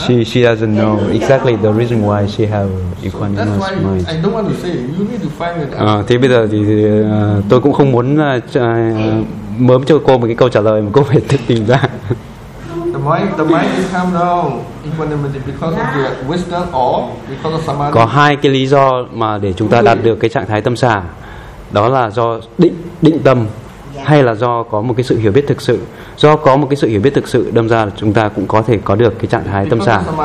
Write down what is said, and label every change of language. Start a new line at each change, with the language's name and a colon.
English: She doesn't know exactly the reason why she have equanimous mind. I don't want to say. You need to find it.
Vietnamese: Thế bây giờ thì tôi cũng không muốn mớm cho cô một cái câu trả lời mà cô phải tự tìm ra.
English: The mind is calm down equanimity because of the wisdom or because of samadhi.
Vietnamese: Có hai cái lý do mà để chúng ta đạt được cái trạng thái tâm xả, đó là do định tâm hay là do có một cái sự hiểu biết thực sự. Do có một cái sự hiểu biết thực sự, đâm ra là chúng ta cũng có thể có được cái trạng thái tâm xả.